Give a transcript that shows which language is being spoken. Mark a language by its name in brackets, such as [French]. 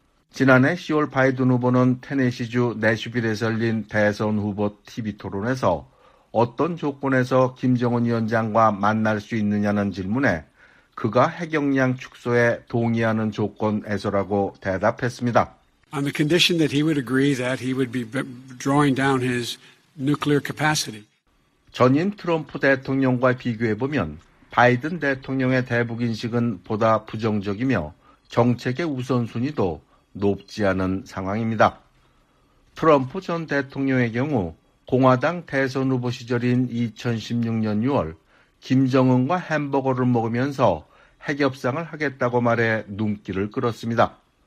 [Korean] 지난해 10월 바이든 후보는 테네시주 내슈빌에서 열린 대선 후보 TV 토론에서 어떤 조건에서 김정은 위원장과 만날 수 있느냐는 질문에 그가 핵역량 축소에 동의하는 조건에서라고 대답했습니다. [English] On the condition that he would agree that he would be drawing down his nuclear capacity. [Korean] 전임 트럼프 대통령과 비교해 보면 바이든 대통령의 대북 인식은 보다 부정적이며 정책의 우선순위도 높지 않은 상황입니다. 트럼프 전 대통령의 경우 공화당 대선 후보 시절인 2016년 6월 김정은과 햄버거를 먹으면서 핵협상을 하겠다고 말해 눈길을 끌었습니다.